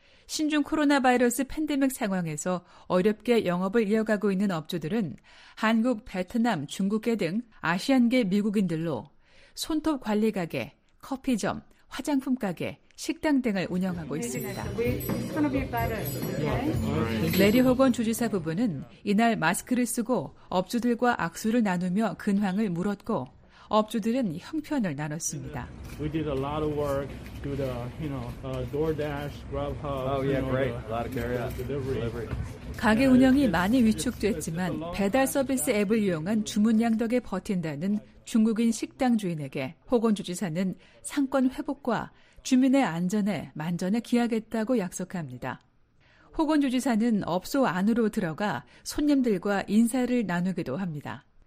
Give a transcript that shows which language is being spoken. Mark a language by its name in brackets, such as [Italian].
[Korean] 신종 코로나 바이러스 팬데믹 상황에서 어렵게 영업을 이어가고 있는 업주들은 한국, 베트남, 중국계 등 아시안계 미국인들로 손톱 관리 가게, 커피점, 화장품 가게, 식당 등을 운영하고 있습니다. 레리 호건 주지사 부부는 이날 마스크를 쓰고 업주들과 악수를 나누며 근황을 물었고 업주들은 형편을 나눴습니다. [English] We did a lot of work through the, you know, DoorDash, Grubhub. Oh yeah, great. A lot of delivery. [Korean] 가게 운영이 많이 위축됐지만 배달 서비스 앱을 이용한 주문량 덕에 버틴다는 중국인 식당 주인에게 호건 주지사는 상권 회복과 주민의 안전에 만전을 기하겠다고 약속합니다. 호건 주지사는 업소 안으로 들어가 손님들과 인사를 나누기도 합니다.